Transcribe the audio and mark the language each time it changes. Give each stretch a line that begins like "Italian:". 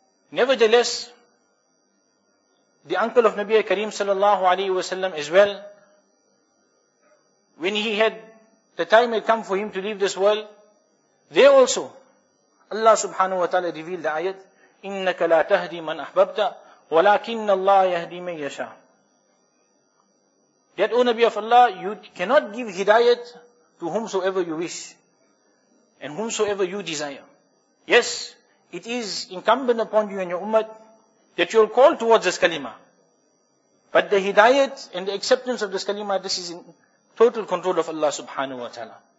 English: Nevertheless, the uncle of Nabi Kareem sallallahu alayhi wa sallam as well, when he had, the time had come for him to leave this world, there also, Allah subhanahu wa ta'ala revealed the ayat,
Arabic: إنك لا تهدي من أحببت ولكن الله يهدي من يشاء.
English: That, O Nabi of Allah, you cannot give hidayat to whomsoever you wish and whomsoever you desire. Yes, it is incumbent upon you and your ummah that you will call towards this kalima. But the hidayat and the acceptance of this kalima, this is in total control of Allah subhanahu wa ta'ala.